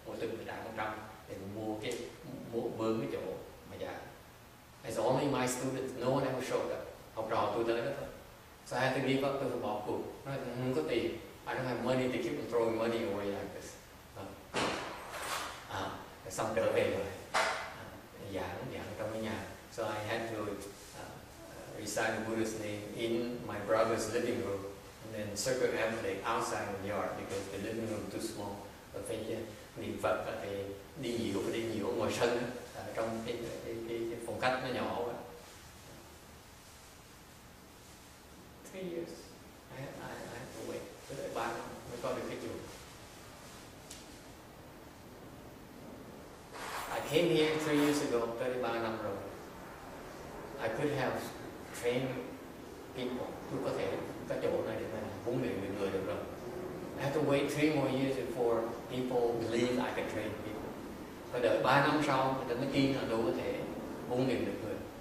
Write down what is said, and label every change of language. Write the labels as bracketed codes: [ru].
[vi] Mỗi tuần phải trả 100 để mua cái mướn cái chỗ mà giảng. [en] It's only my students, no one ever showed up. [vi] Học trò tôi tới đó thôi. [en] So I had to give up, [vi] tôi phải bỏ cuộc. Nói, không có tiền. [en] I don't have money to keep on throwing money away like this. [vi] Xong trở về rồi. Giảng trong cái nhà. [en] So I had to recite the Buddha's name in my brother's living room. And then circumambulate outside the yard because the living room too small. [vi] Và phải niệm Phật và phải đi nhiều, phải đi nhiều ở ngoài sân. Trong cái phòng khách nó nhỏ quá. [en] 3 years I have to wait. [vi] Tới đây 3 năm mới có được cái chùa. [en] I came here 3 years ago, [vi] 33 năm rồi. [en] I could have trained people. [vi] Tôi có thể có chỗ này để mà huấn luyện được người được rồi. [en] I have to wait 3 more years before people believe I can train people. [vi] Phải đợi 3 năm sau người ta mới tin là tôi có thể huấn luyện được người.